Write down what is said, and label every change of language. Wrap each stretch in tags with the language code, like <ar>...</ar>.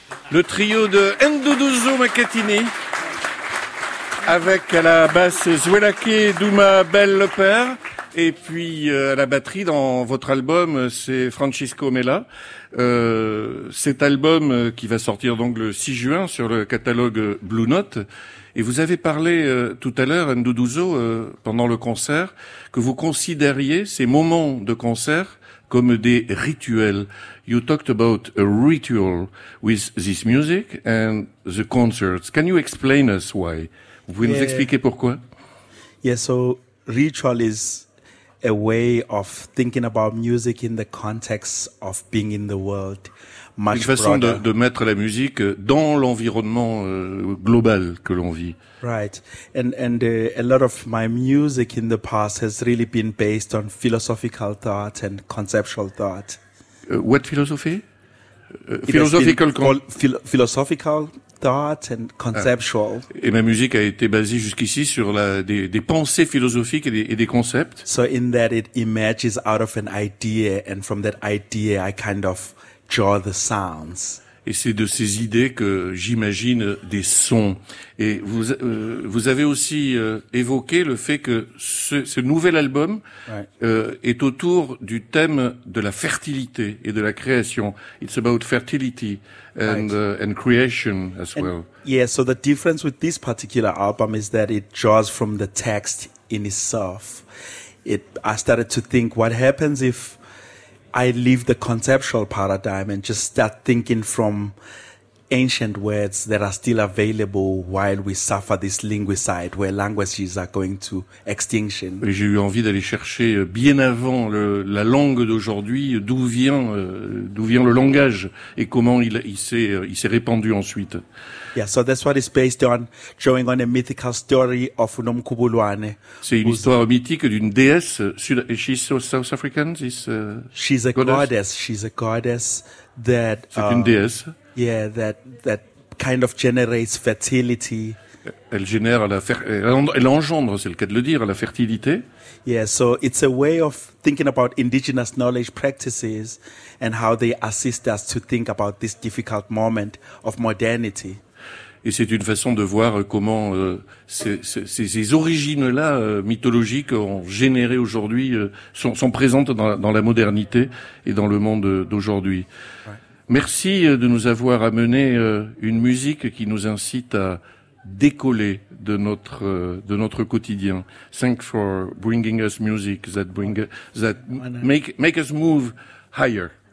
<fr>le trio de Ndoudouzo Makatini, avec à la basse Zuelake Douma Bell-Lepère, et puis à la batterie dans votre album, c'est Francisco Mella. Cet album qui va sortir donc le 6 juin sur le catalogue Blue Note. Et vous avez parlé tout à l'heure, Ndoudouzo, pendant le concert, que vous considériez ces moments de concert comme des rituels.</fr> <en>You talked about a ritual with this music and the concerts. Can you explain us why?</en> <fr>Vous pouvez nous expliquer pourquoi?</fr> <en>Yeah, so ritual is a way of thinking about music in the context of being in the world.</en> <fr>Une façon de mettre la musique dans l'environnement global que l'on vit.</fr> <en>Right. And a lot of my music in the past has really been based on philosophical thought and conceptual thought. What philosophy? Philosophical thought and conceptual.</en> <fr>Et ma musique a été basée jusqu'ici sur des pensées philosophiques et des concepts.</fr> <en>So in that it emerges out of an idea, and from that idea I kind of draw the sounds.</en> <fr>Et c'est de ces idées que j'imagine des sons. Et vous avez aussi évoqué le fait que ce nouvel album est autour du thème de la fertilité et de la création.</fr> <en>It's about fertility and creation as well. Yeah, so the difference with this particular album is that it draws from the text in itself. I started to think, what happens if I leave the conceptual paradigm and just start thinking from ancient words that are still available while we suffer this linguicide where languages are going to extinction.</en> <fr>Et j'ai eu envie d'aller chercher bien avant la langue d'aujourd'hui, d'où vient le langage et comment il s'est répandu ensuite.</fr> <en>Yeah, so that's what it's based on, drawing on a mythical story of Nomkhubulwane.</en> <fr>C'est une histoire mythique d'une déesse sud.</fr> <en>Is she so South African? She's a goddess. She's a goddess that.</en> <fr>C'est une déesse.</fr> <en>Yeah, that kind of generates fertility.</en> <fr>Elle engendre, c'est le cas de le dire, la fertilité.</fr> <en>Yeah, so it's a way of thinking about indigenous knowledge practices and how they assist us to think about this difficult moment of modernity.</en> <fr>Et c'est une façon de voir comment ces origines-là mythologiques ont généré aujourd'hui, sont présentes dans la modernité et dans le monde d'aujourd'hui. Right. Merci de nous avoir amené une musique qui nous incite à décoller de notre quotidien.</fr> <en>Thanks for bringing us music that make us move higher.</en>